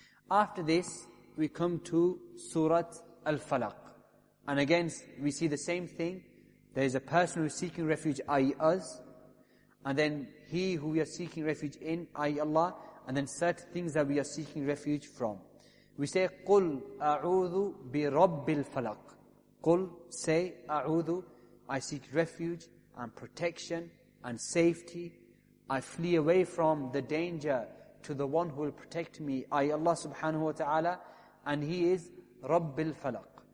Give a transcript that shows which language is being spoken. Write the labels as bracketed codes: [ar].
[en] After this, we come to Surat Al-Falaq. And again, we see the same thing. There is a person who is seeking refuge, i.e. us. And then he who we are seeking refuge in, i.e. Allah, and then certain things that we are seeking refuge from. We say, [ar] قُلْ أَعُوذُ بِرَبِّ الْفَلَقِ. [en] قُلْ, say, أَعُوذُ, I seek refuge and protection and safety. I flee away from the danger to the one who will protect me, i.e. Allah subhanahu wa ta'ala, and he is رَبِّ الْفَلَقِ.